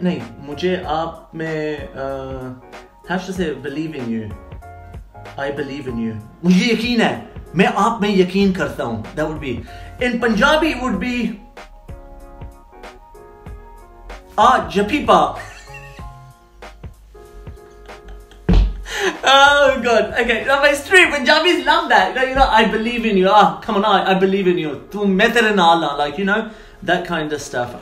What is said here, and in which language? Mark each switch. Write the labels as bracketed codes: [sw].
[hi] नहीं, मुझे आप में [en] how should I say it? Believe in you. I believe in you. [hi] मुझे यकीन है। मैं आप में यकीन करता हूँ। [en] That would be. In Punjabi, it would be Aa Japipa. Oh god. Okay, now it's true. Punjabis love that. You know, I believe in you. Ah, come on, I believe in you. [pa] Tu metere naal, [en] like, you know, that kind of stuff.